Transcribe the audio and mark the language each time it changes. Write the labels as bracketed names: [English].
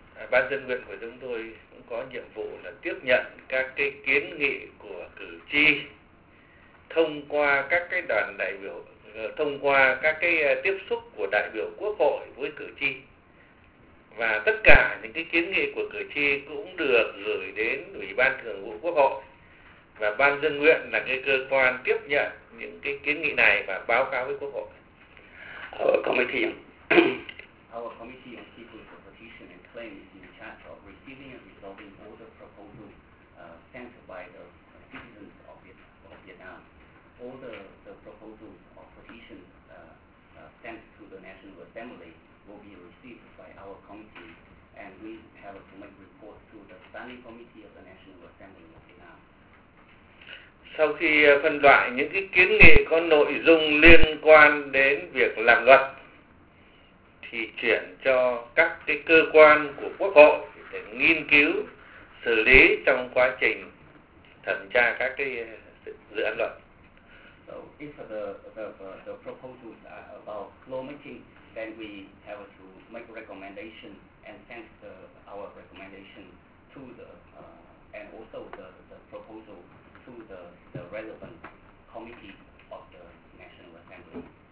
[Vietnamese] Ban dân nguyện của chúng tôi cũng có nhiệm vụ là tiếp nhận các cái kiến nghị của cử tri thông qua các cái đoàn đại biểu, thông qua các cái tiếp xúc của đại biểu quốc hội với cử tri, và tất cả những cái kiến nghị của cử tri cũng được gửi đến Ủy ban Thường vụ Quốc hội, và Ban dân nguyện là cái cơ quan tiếp nhận những cái kiến nghị này và báo cáo với Quốc hội. [English] Our committee. Our committee. Receiving and resolving all the proposals sent by the citizens of Vietnam. All the proposals or petitions sent to the National Assembly will be received by our committee, and we have to make reports to the Standing Committee of the National Assembly of Vietnam. [Vietnamese] Sau khi phân loại những cái kiến nghị có nội dung liên quan đến việc làm luật, thì chuyển cho các cái cơ quan của Quốc hội để nghiên cứu xử lý trong quá trình thẩm tra các cái dự án luật. [English] So if the proposals are about lawmaking, then we have to make recommendations and send our recommendation to the and also the proposal to the relevant committee of the National Assembly.